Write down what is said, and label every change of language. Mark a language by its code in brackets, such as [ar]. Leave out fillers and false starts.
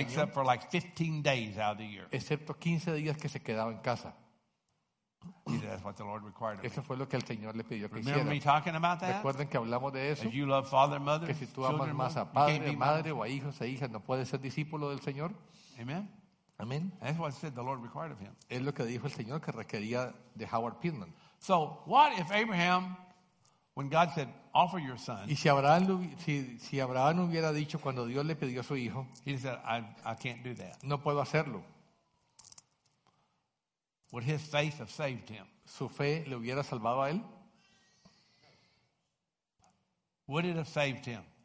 [en] except for like 15 days out of the year. [es] Excepto 15 días que se quedaba en casa. [en] He said, that's what the Lord required of [es] eso fue lo que el Señor le pidió que [en] remember [es] hiciera. [en] Me talking about that? [es] Recuerden que hablamos de eso. [en] As you love father, mother, [es] que si tú amas más a padre, a madre o a hijos e hijas, no puedes ser discípulo del Señor. [en] Amen. [es] Amen. [en] That's what said the Lord required of him. [es] Es lo que dijo el Señor que requería de Howard Pittman. [en] So what if Abraham, when God said, offer your son? [es] Y si Abraham hubiera dicho cuando Dios le pidió a su hijo, [en] he said, I can't do that. [es] No puedo hacerlo. [en] Would his faith have saved him? [es] ¿Su fe le hubiera salvado a él? [en] Would it have saved him?